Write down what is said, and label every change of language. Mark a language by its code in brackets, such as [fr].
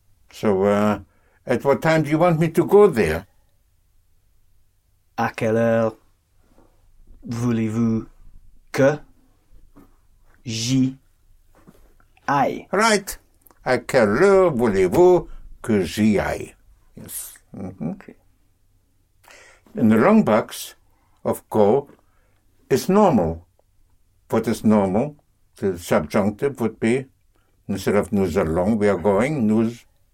[en] So, at what time do you want me to go there? [fr] À quelle heure voulez-vous que j'y aille. [en] Right. [fr] À quelle heure voulez-vous que j'y aille? [en] Yes. Mm-hmm. Okay. In the long box of go is normal. What is normal? The subjunctive would be, instead of [fr] nous allons, [en] we are going, nous.